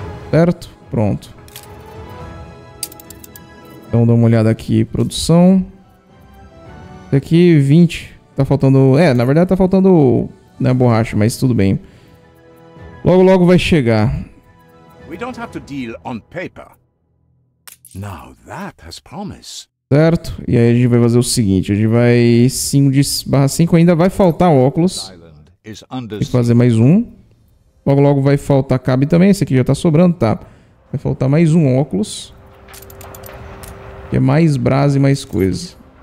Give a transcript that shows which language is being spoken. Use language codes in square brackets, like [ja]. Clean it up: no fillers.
[pt] Certo. Pronto. Então, dá uma olhada aqui. Produção. Esse aqui, 20. Tá faltando... é, na verdade, tá faltando... né, borracha, mas tudo bem. Logo, logo vai chegar. [en] We don't have to deal on paper. Now that has promise. [pt] Certo. E aí, a gente vai fazer o seguinte. A gente vai... 5/5. Ainda vai faltar óculos. Tem que fazer mais um. Logo, logo vai faltar cabe também. Esse aqui já tá sobrando, tá... vai faltar mais um óculos. Que é mais brasa e mais coisa.